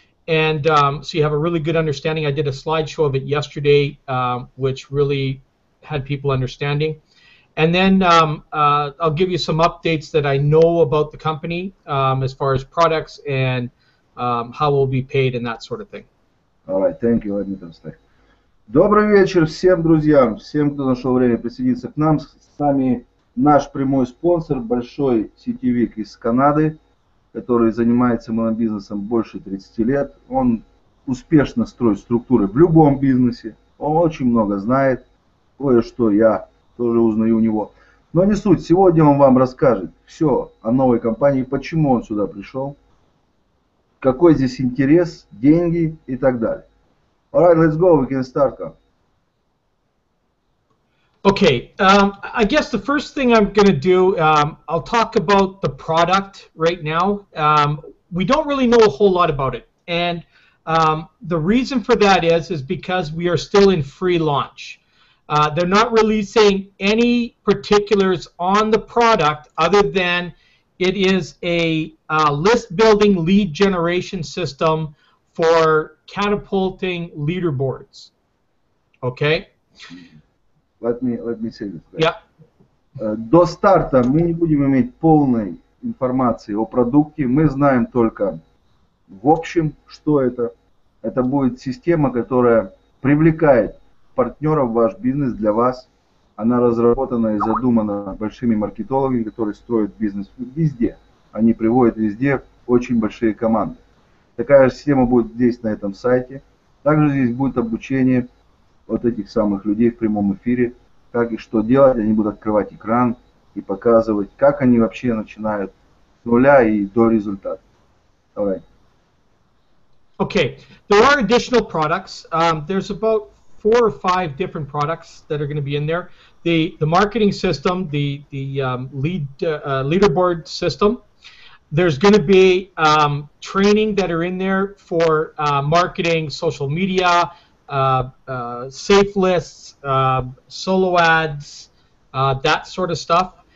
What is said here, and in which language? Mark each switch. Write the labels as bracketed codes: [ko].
[en] And so you have a really good understanding. I did a slideshow of it yesterday, which really had people understanding. And then I'll give you some updates that I know about the company as far as products and how we'll be paid and that sort of thing. All right, thank you, Владимир Толстой. [ru] Добрый вечер всем друзьям, всем, кто нашел время присоединиться к нам. С нами наш прямой спонсор, большой сетевик из Канады, который занимается монобизнесом больше 30 лет. Он успешно строит структуры в любом бизнесе, он очень много знает, кое-что я тоже узнаю у него. Но не суть. Сегодня он вам расскажет все о новой компании, почему он сюда пришел, какой здесь интерес, деньги и так далее. [en] All right, let's go. We can start. Okay. I guess the first thing I'm going to do, I'll talk about the product right now. We don't really know a whole lot about it. And the reason for that is because we are still in free launch. They're not releasing any particulars on the product other than it is a list-building lead generation system for catapulting leaderboards. Okay? Let me say this. Yeah. [ru] До старта мы не будем иметь полной информации о продукте. Мы знаем только в общем, что это. Это будет система, которая привлекает партнеров в ваш бизнес для вас. Она разработана и задумана большими маркетологами, которые строят бизнес везде. Они приводят везде очень большие команды. Такая же система будет здесь, на этом сайте. Также здесь будет обучение вот этих самых людей в прямом эфире, как и что делать. Они будут открывать экран и показывать, как они вообще начинают с нуля и до результата. Давай. [en] Okay. There are additional products. There's about 4 or 5 different products that are going to be in there. The marketing system, leaderboard system. There's going to be training that are in there for marketing, social media, safe lists, solo ads, that sort of stuff.